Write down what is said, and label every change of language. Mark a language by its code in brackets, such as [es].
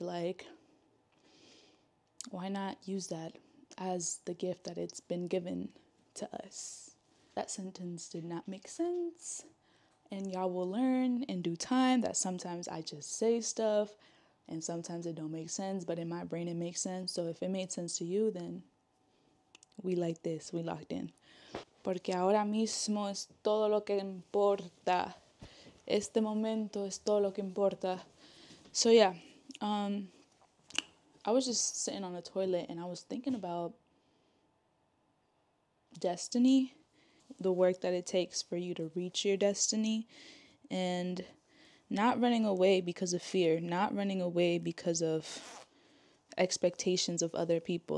[en] Like, why not use that as the gift that it's been given to us? That sentence did not make sense, and y'all will learn in due time that sometimes I just say stuff and sometimes it don't make sense, but in my brain it makes sense. So if it made sense to you, then we like this. We locked in. [es] Porque ahora mismo es todo lo que importa. Este momento es todo lo que importa. [en] So yeah, I was just sitting on the toilet and I was thinking about destiny, the work that it takes for you to reach your destiny, and not running away because of fear, not running away because of expectations of other people.